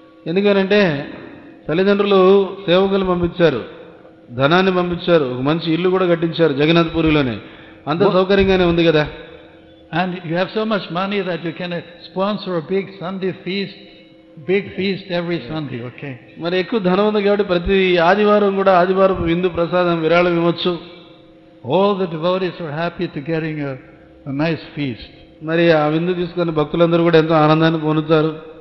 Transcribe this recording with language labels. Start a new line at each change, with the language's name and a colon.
Telugu: ఎందుకనంటే తల్లిదండ్రులు సేవకులు పంపించారు, ధనాన్ని పంపించారు, ఒక మంచి ఇల్లు కూడా కట్టించారు జగన్నాథ్ పూరిలోనే, అంత సౌకర్యంగానే ఉంది కదా.
English: And you have so much money that you can sponsor big Sunday feast, big feast every Sunday. Okay,
Telugu: మరి ఎక్కువ ధనం ఉంది కాబట్టి ప్రతి ఆదివారం కూడా ఆదివారం విందు ప్రసాదం విరాళం ఇవ్వచ్చు.
English: All the devotees were happy to getting a nice feast.
Telugu: మరి ఆ విందు తీసుకున్న భక్తులందరూ కూడా ఎంతో ఆనందాన్ని పొందుతారు.